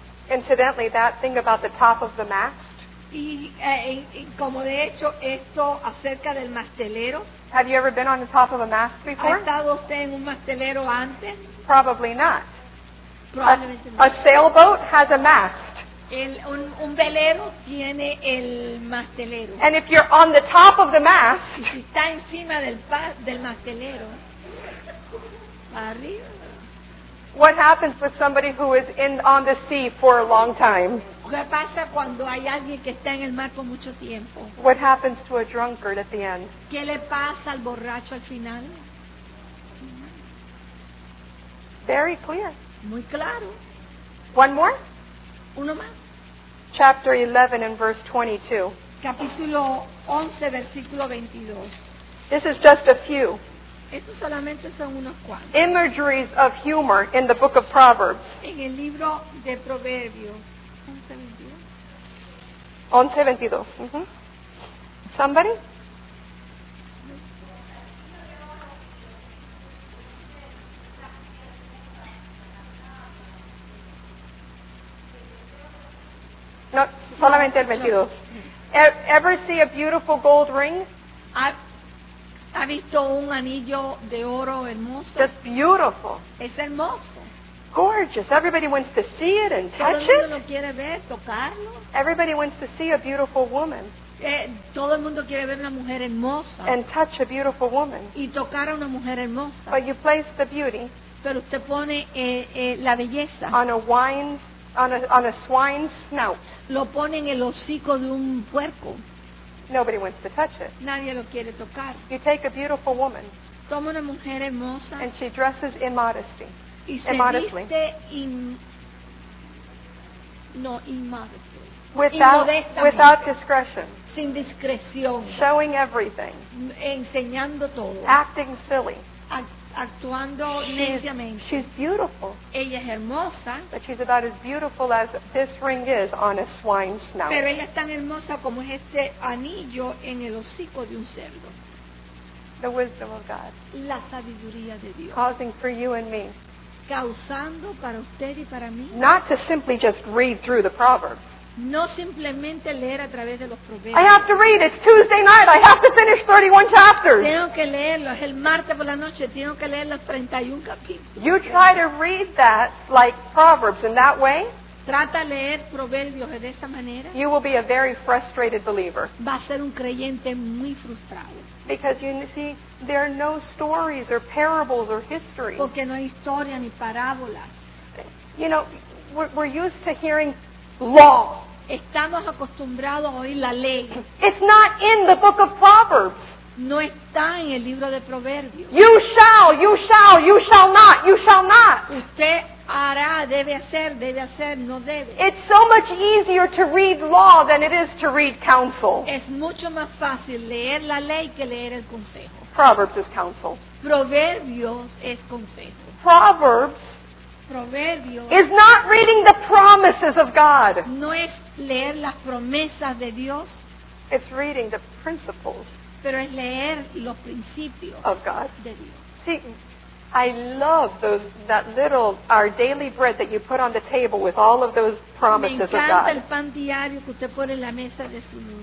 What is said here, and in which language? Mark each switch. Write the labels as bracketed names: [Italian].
[English] Incidentally, that thing about the top of the mast. [Spanish] Y como de hecho esto acerca del mastelero. [English] Have you ever been on the top of a mast before? [Spanish] ¿Ha estado usted en un mastelero antes? [English] Probably not. [Spanish] Probablemente [English] a sailboat has a mast. [Spanish] Un velero tiene el mastelero. [English] And if you're on the top of the mast. [Spanish] Y si está encima del mastelero. Arriba. [English] What happens with somebody who is on the sea for a long time? [Spanish] ¿Qué pasa cuando hay alguien que está en el mar por mucho tiempo? [English] What happens to a drunkard at the end? [Spanish] ¿Qué le pasa al borracho al final? [English] Very clear. [Spanish] Muy claro. [English] One more? [Spanish] Uno más. [English] Chapter 11 and verse 22. [Spanish] Capítulo 11, versículo 22. [English] This is just a few. [Spanish] Estos solamente son unos cuantos. [English] Imageries of humor in the book of Proverbs. [Spanish] En el libro de Proverbios. [English] 11:22. Mm-hmm. Somebody? [Spanish] No, solamente el 22. [English] Ever see a beautiful gold ring? [Spanish] ¿Ha visto un anillo de oro hermoso? [English] That's beautiful. [Spanish] Es hermoso. [English] Gorgeous. Everybody wants to see it and touch it. [Spanish] Todo el mundo lo quiere ver, tocarlo. [English] Everybody wants to see a beautiful woman. [Spanish] todo el mundo quiere ver una mujer hermosa. [English] And touch a beautiful woman. [Spanish] Y tocar a una mujer hermosa. [English] But you place the beauty. [Spanish] Pero usted pone la belleza. [English] On a swine's snout. [Spanish] Lo pone en el hocico de un puerco. [English] Nobody wants to touch it. [Spanish] Nadie lo quiere tocar. [English] You take a beautiful woman. [Spanish] Toma una mujer hermosa. [English] And she dresses immodestly. [Spanish] Y se viste [English] immodestly. Without discretion. [Spanish] Sin discreción. [English] Showing everything. [Spanish] Enseñando todo. [English] Acting silly. [Spanish] Actuando neciamente. [English] She's beautiful. [Spanish] Ella es hermosa. [English] But she's about as beautiful as this ring is on a swine's snout. [Spanish] Pero ella es tan hermosa como este anillo en el hocico de un cerdo. [English] The wisdom of God. [Spanish] La sabiduría de Dios. [English] Causing for you and me. [Spanish] Causando para usted y para mí. [English] Not to simply just read through the Proverbs. [Spanish] No simplemente leer a través de los proverbios. [English] I have to read. It's Tuesday night. I have to finish 31 chapters. [Spanish] Tengo que leerlo. Es el martes por la noche. Tengo que leer los 31 capítulos. [English] You try to read that like Proverbs in that way. [Spanish] Trata de leer proverbios de esa manera. [English] You will be a very frustrated believer. [Spanish] Va a ser un creyente muy frustrado. [English] Because you see, there are no stories or parables or history. [Spanish] Porque no hay historia ni parábola. [English] You know, we're used to hearing law. [Spanish] Estamos acostumbrados a oír la ley. [English] It's not in the book of Proverbs. [Spanish] No está en el libro de Proverbios. [English] You shall not. [Spanish] Usted hará, debe hacer, no debe. [English] It's so much easier to read law than it is to read counsel. [Spanish] Es mucho más fácil leer la ley que leer el consejo. [English] Proverbs is counsel. [Spanish] Proverbios es consejo. [English] Proverbs is not reading the promises of God. [Spanish] No es leer las promesas de Dios. [English] It's reading the principles. [Spanish] Pero es leer los principios [English] of God. [Spanish] De Dios. [English] See, I love our daily bread that you put on the table with all of those promises of God. [Spanish] Me encanta el pan diario que usted pone en la mesa de su